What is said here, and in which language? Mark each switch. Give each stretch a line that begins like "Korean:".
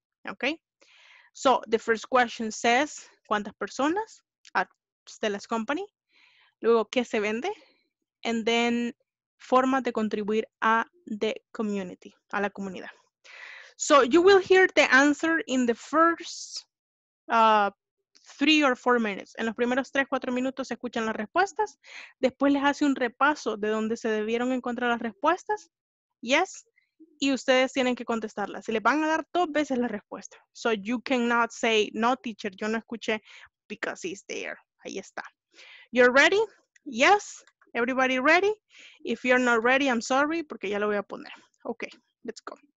English: Okay. So the first question says,
Spanish: ¿cuántas personas
English: at Stella's company?
Spanish: Luego, ¿qué se vende?
English: And then,
Spanish: formas de contribuir a
English: the community,
Spanish: a la comunidad.
English: So you will hear the answer in the first three or four minutes.
Spanish: En los primeros tres, cuatro minutos se escuchan las respuestas. Después les hace un repaso de dónde se debieron encontrar las respuestas. Yes. Y ustedes tienen que contestarlas. Se les van a dar dos veces la respuesta.
English: So you cannot say, no, teacher,
Spanish: yo no escuché
English: because he's there.
Spanish: Ahí está.
English: You're ready? Yes. Everybody ready? If you're not ready, I'm sorry,
Spanish: porque ya lo voy a poner.
English: Okay. Let's go.